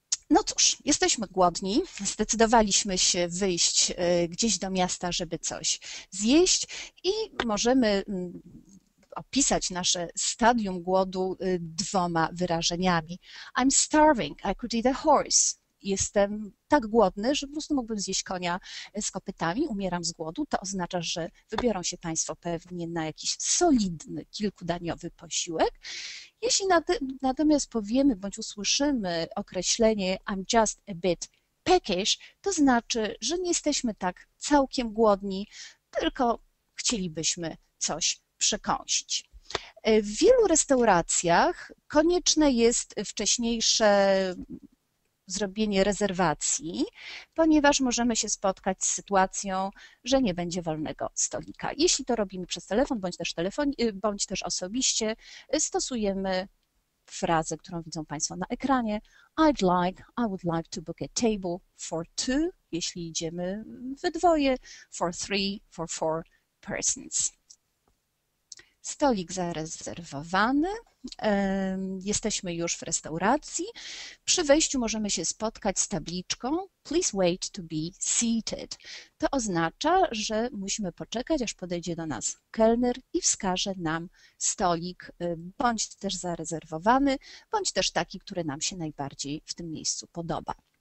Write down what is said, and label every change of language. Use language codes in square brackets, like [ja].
[pl] No cóż, jesteśmy głodni, zdecydowaliśmy się wyjść gdzieś do miasta, żeby coś zjeść i możemy opisać nasze stadium głodu dwoma wyrażeniami. [en] I'm starving, I could eat a horse. [pl] Jestem tak głodny, że po prostu mógłbym zjeść konia z kopytami, umieram z głodu. To oznacza, że wybiorą się Państwo pewnie na jakiś solidny, kilkudaniowy posiłek. Jeśli natomiast powiemy bądź usłyszymy określenie [en] I'm just a bit peckish, [pl] to znaczy, że nie jesteśmy tak całkiem głodni, tylko chcielibyśmy coś przekąsić. W wielu restauracjach konieczne jest wcześniejsze zrobienie rezerwacji, ponieważ możemy się spotkać z sytuacją, że nie będzie wolnego stolika. Jeśli to robimy przez telefon, bądź też osobiście, stosujemy frazę, którą widzą Państwo na ekranie. [en] I would like to book a table for two, [pl] jeśli idziemy we dwoje, [en] for three, for four persons. [pl] Stolik zarezerwowany, jesteśmy już w restauracji. Przy wejściu możemy się spotkać z tabliczką [en] Please wait to be seated. [pl] To oznacza, że musimy poczekać, aż podejdzie do nas kelner i wskaże nam stolik, bądź też zarezerwowany, bądź też taki, który nam się najbardziej w tym miejscu podoba.